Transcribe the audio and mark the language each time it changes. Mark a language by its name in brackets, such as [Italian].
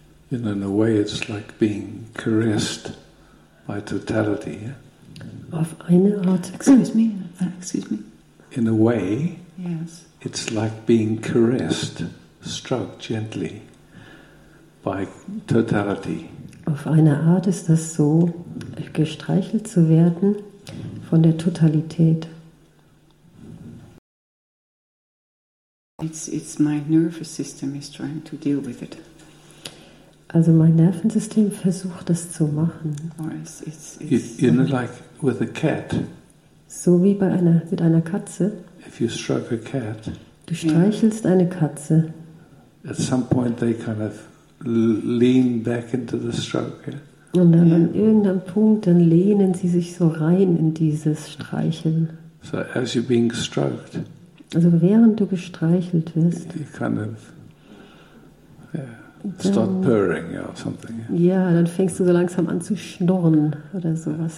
[English] And in a way, it's like being caressed by totality. Yeah? [German] Auf eine Art, [English] excuse me. In a way, yes. It's like being caressed, struck gently by totality. [German] Auf eine Art ist das so, gestreichelt zu werden von der Totalität. [English] It's my nervous system is trying to deal with it. [German] Also mein Nervensystem versucht das zu machen. [English] You know, like with a cat. [German] So wie bei einer mit einer Katze. [English] If you stroke a cat. [German] Du streichelst eine Katze. [English] At some point they kind of lean back into the stroke. Yeah? [German] Und dann an irgendeinem Punkt dann lehnen sie sich so rein in dieses Streicheln. [English] So as you're being stroked. [German] Also während du gestreichelt wirst. [English] You kind of, yeah. Start purring or something. [German] Ja, dann fängst du so langsam an zu schnurren oder sowas